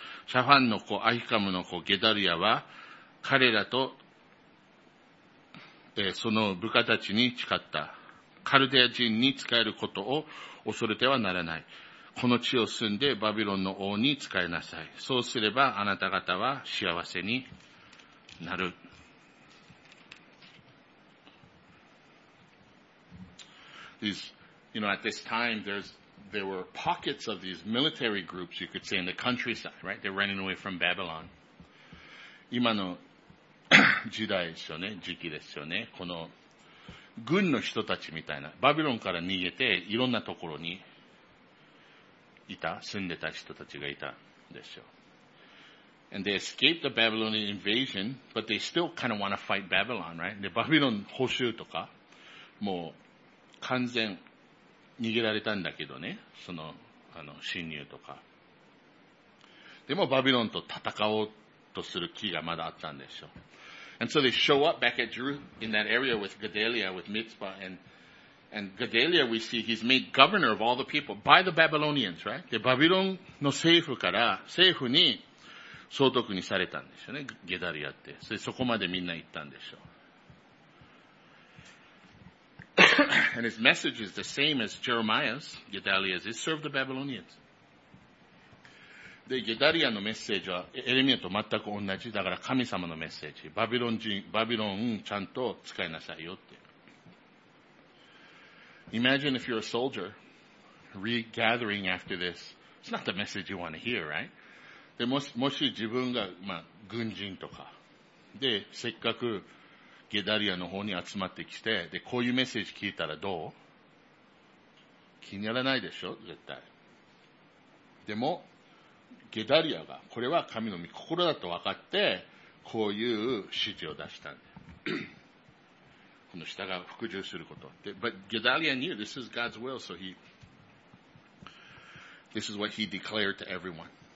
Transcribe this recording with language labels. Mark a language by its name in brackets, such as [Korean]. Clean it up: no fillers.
[Japanese] シャファンの子、アヒカムの子、ゲダリアは、彼らと、その部下たちに誓った。カルデア人に仕えることを恐れてはならない。この地を住んでバビロンの王に仕えなさい。そうすればあなた方は幸せになる。 [English] These, you know, at this time, there were pockets of these military groups, you could say, in the countryside, right? They're running away from Babylon. [Japanese] 今の時代ですよね、時期ですよね。この軍の人たちみたいな、バビロンから逃げていろんなところにいた、住んでた人たちがいたでしょう。 [English] And they escaped the Babylonian invasion, but they still kind of want to fight Babylon, right? [Japanese] で、バビロン捕囚とか、もう完全逃げられたんだけどね、その、侵入とか。でもバビロンと戦おうとする気がまだあったんでしょう。 [English] And so they show up back at Jerusalem in that area with Gedalia, with Mitzpah, and, And Gedaliah, we see, he's made governor of all the people by the Babylonians, right? [Japanese] で、バビロンの政府から政府に総督にされたんですよね、ゲダリアって。それそこまでみんな言ったんでしょう。 [English] And his message is the same as Jeremiah's, Gedaliah's. It served the Babylonians. [Japanese] で、ゲダリアのメッセージはエレミアと全く同じ。だから神様のメッセージ。バビロンちゃんと使いなさいよって。 [English] Imagine if you're a soldier regathering after this. It's not the message you want to hear, right? [Japanese] で、もし自分が、まあ、軍人とか、で、せっかくゲダリアの方に集まってきて、で、こういうメッセージ聞いたらどう？気にならないでしょ？絶対。でも、ゲダリアが、これは神の御心だと分かって、こういう指示を出したんだよ。この下が服従すること。 [English] で、But Gedaliah knew this is God's will, so he, this is what he declared to everyone.